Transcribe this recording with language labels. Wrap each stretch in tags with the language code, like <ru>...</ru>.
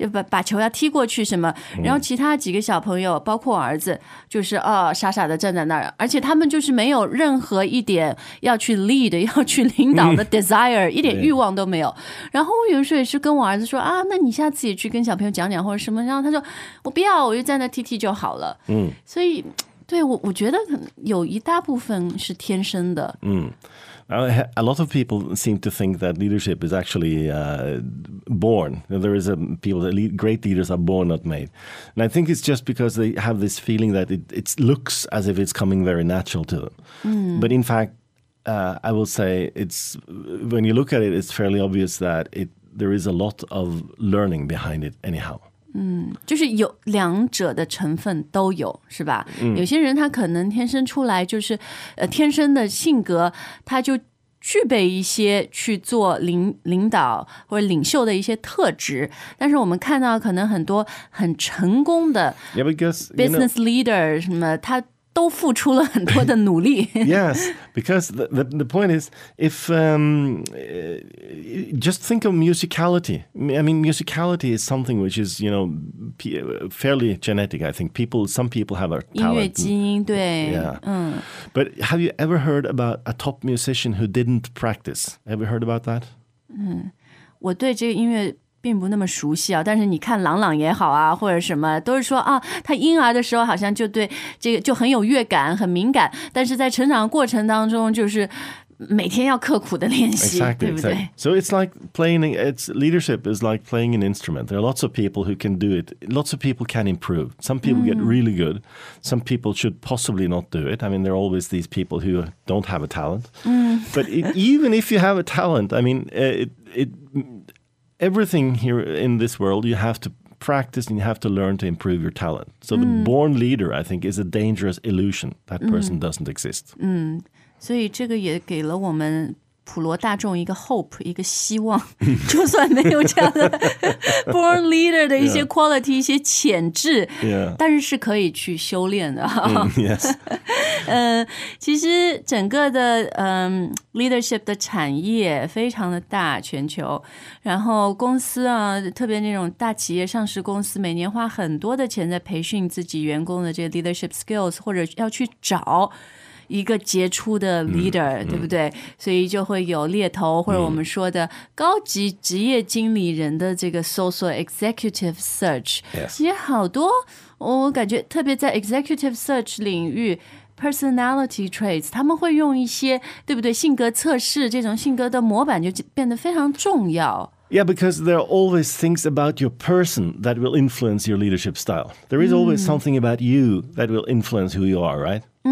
<zh>把球要踢过去什么，然后其他几个小朋友，包括我儿子，就是傻傻的站在那儿，而且他们就是没有任何一点要去 lead， 要去领导的 desire，一点欲望都没有。然后我有时候也是跟我儿子说啊，那你下次也去跟小朋友讲讲或者什么，然后他说我不要，我就在那踢踢就好了。所以对，我觉得有一大部分是天生的。</zh> <en>A lot of people seem to think that leadership is actually born. There is great leaders are born, not made. And I think it's just because they have this feeling that it looks as if it's coming very natural to them. But in fact,I will say it's when you look at it, it's fairly obvious that there is a lot of learning behind it anyhow.</en> <zh>就是有两者的成分都有，是吧？有些人他可能天生出来就是天生的性格，他就具备一些去做领导或者领袖的一些特质，但是我们看到可能很多很成功的 business leader 什么他。都付出了很多的努力。</zh> <en>Yes, because the point is, if just think of musicality. I mean, musicality is something which is, you know, fairly genetic. I think some people have a talent.</en> <zh>音乐基因，对。</zh> <en>But have you ever heard about a top musician who didn't practice? Ever heard about that?</en> <zh>我对这个音乐。并不那么熟悉啊，但是你看朗朗也好啊，或者什么，都是说啊，他婴儿的时候好像就对这个就很有乐感，很敏感，但是在成长过程当中，就是每天要刻苦的练习，</zh> <en>exactly,</en> <zh>对不对</zh> <en>？So it's like playing. It's leadership is like playing an instrument. There are lots of people who can do it. Lots of people can improve. Some people get really good. Some people should possibly not do it. I mean, there are always these people who don't have a talent. But even if you have a talent, I mean, Everything here in this world, you have to practice and you have to learn to improve your talent. So the born leader, I think, is a dangerous illusion. That person doesn't exist.</en> <zh>所以这个也给了我们普罗大众一个 hope, 一个希望。就算没有这样的born leader 的一些 quality, 一些潜质, 但是是可以去修炼的。其实整个的leadership 的产业非常的大，全球，然后公司啊，特别那种大企业上市公司，每年花很多的钱在培训自己员工的这个 leadership skills, 或者要去找一个杰出的 leader, 对不对？所以就会有猎头，或者我们说的高级职业经理人的这个搜索 executive search, 其实好多我感觉特别在 executive search 领域personality traits, 他们会用一些，对不对，性格测试，这种性格的模板就变得非常重要。</zh> <en>Yeah, because there are always things about your person that will influence your leadership style. There is always something about you that will influence who you are, right?</en>